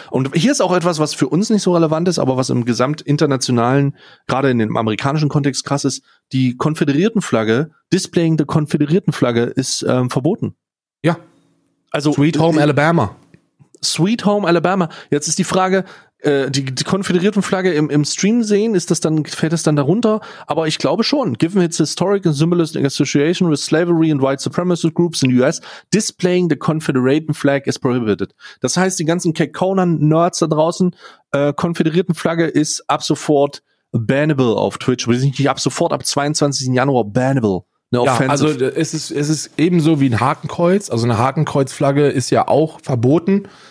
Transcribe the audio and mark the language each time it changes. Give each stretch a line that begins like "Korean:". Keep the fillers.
German: Und hier ist auch etwas, was für uns nicht so relevant ist, aber was im gesamt internationalen, gerade in dem amerikanischen Kontext krass ist. Die Konföderiertenflagge, Displaying der Konföderiertenflagge ist ähm, verboten. Ja. Also, Sweet Home Alabama. Sweet Home Alabama. Jetzt ist die Frage, äh, die, die Konföderiertenflagge im, im Stream sehen, ist das dann, fällt das dann darunter? Aber ich glaube schon.
English: Given its historic and symbolist association with slavery and white supremacist groups in the US, displaying the Confederated flag is prohibited.
German: Das heißt, die ganzen Kekonan-Nerds da draußen, äh, Konföderiertenflagge ist ab sofort bannable auf Twitch. Wir sind nicht ab sofort, ab 22. Januar bannable. Ne, Ja,
English: offensive.
German: also äh, es ist, es ist ebenso wie ein Hakenkreuz. Also eine Hakenkreuzflagge ist ja auch verboten.